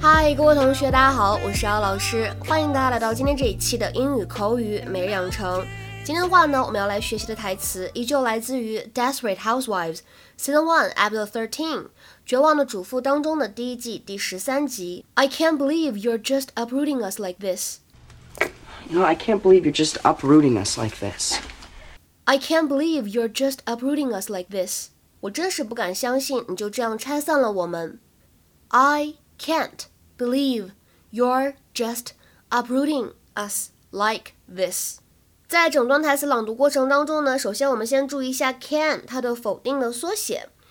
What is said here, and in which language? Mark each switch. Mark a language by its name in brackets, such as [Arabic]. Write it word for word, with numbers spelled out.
[Chinese] 嗨，各位同学，大家好，我是姚老师，欢迎大家来到今天这一期的英语口语每日养成。今天的话呢，我们要来学习的台词依旧来自于 Desperate Housewives Season one Episode thirteen 绝望的主妇当中的第一季第十三集 [English] I can't believe you're just uprooting us like this You know, I can't believe you're just uprooting us like this I can't believe you're just uprooting us like this [Chinese] 我真是不敢相信你就这样拆散了我们 [English] I can't believe you're just uprooting us like this [Chinese] 在整段台词朗读过程当中呢，首先我们先注意一下 can 它的否定的缩写。